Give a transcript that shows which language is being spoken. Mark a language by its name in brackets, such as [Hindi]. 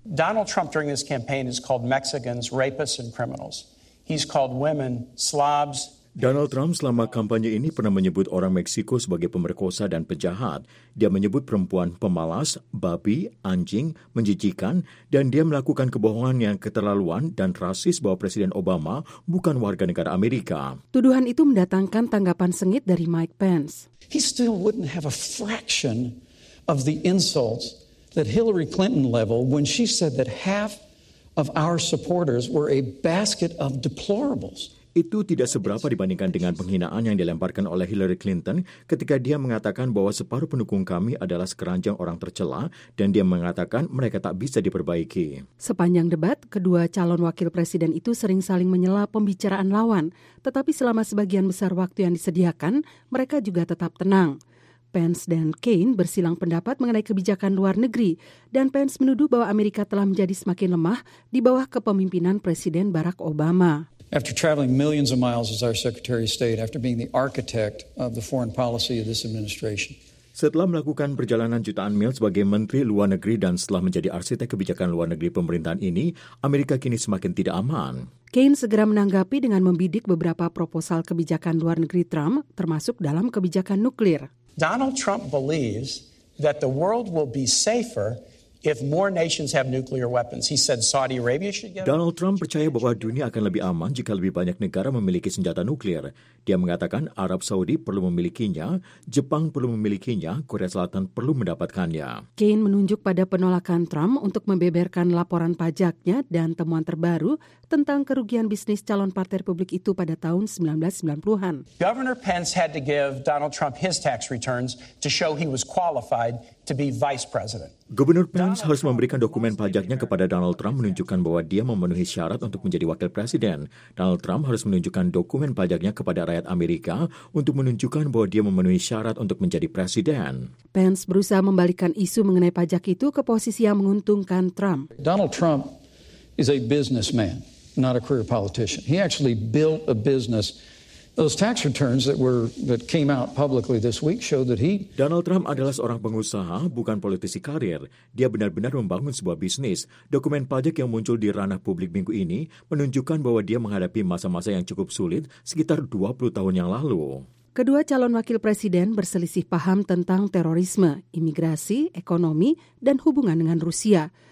[English] Donald Trump during this campaign is called Mexicans rapists and criminals. He's called women slobs. [Indonesian] Donald Trump selama kampanye ini pernah menyebut orang Meksiko sebagai pemerkosa dan penjahat. Dia menyebut perempuan pemalas, babi, anjing, menjijikan, dan dia melakukan kebohongan yang keterlaluan dan rasis bahwa Presiden Obama bukan warga negara Amerika. Tuduhan itu mendatangkan tanggapan sengit dari Mike Pence. [English] He still wouldn't have a fraction of the insults that Hillary Clinton leveled when she said that half of our supporters were a basket of deplorables. [Indonesian] Itu tidak seberapa dibandingkan dengan penghinaan yang dilemparkan oleh Hillary Clinton ketika dia mengatakan bahwa separuh pendukung kami adalah sekeranjang orang tercela dan dia mengatakan mereka tak bisa diperbaiki. Sepanjang debat, kedua calon wakil presiden itu sering saling menyela pembicaraan lawan, tetapi selama sebagian besar waktu yang disediakan, mereka juga tetap tenang. Pence dan Kaine bersilang pendapat mengenai kebijakan luar negeri dan Pence menuduh bahwa Amerika telah menjadi semakin lemah di bawah kepemimpinan Presiden Barack Obama. [English] After traveling millions of miles as our Secretary of State, after being the architect of the foreign policy of this administration, [Indonesian] Setelah melakukan perjalanan jutaan mil sebagai Menteri Luar Negeri dan setelah menjadi arsitek kebijakan luar negeri pemerintahan ini, Amerika kini semakin tidak aman. Kane segera menanggapi dengan membidik beberapa proposal kebijakan luar negeri Trump, termasuk dalam kebijakan nuklir. [English] Donald Trump believes that the world will be safer if more nations have nuclear weapons. He said Saudi Arabia should get. [Indonesian] Donald Trump percaya bahwa dunia akan lebih aman jika lebih banyak negara memiliki senjata nuklir. Dia mengatakan Arab Saudi perlu memilikinya, Jepang perlu memilikinya, Korea Selatan perlu mendapatkannya. Kane menunjuk pada penolakan Trump untuk membeberkan laporan pajaknya dan temuan terbaru tentang kerugian bisnis calon partai Republik itu pada tahun 1990-an. [English] Governor Pence had to give Donald Trump his tax returns to show he was qualified to be vice president. [Indonesian] Gubernur Pence harus memberikan dokumen pajaknya kepada Donald Trump menunjukkan bahwa dia memenuhi syarat untuk menjadi wakil presiden. Donald Trump harus menunjukkan dokumen pajaknya kepada rakyat Amerika untuk menunjukkan bahwa dia memenuhi syarat untuk menjadi presiden. Pence berusaha membalikkan isu mengenai pajak itu ke posisi yang menguntungkan Trump. [English] Donald Trump is a businessman, not a career politician. He actually built a business. Those tax returns that came out publicly this week show that he. [Indonesian] Donald Trump adalah seorang pengusaha, bukan politisi karir. Dia benar-benar membangun sebuah bisnis. Dokumen pajak yang muncul di ranah publik minggu ini menunjukkan bahwa dia menghadapi masa-masa yang cukup sulit sekitar 20 tahun yang lalu. Kedua calon wakil presiden berselisih paham tentang terorisme, imigrasi, ekonomi, dan hubungan dengan Rusia.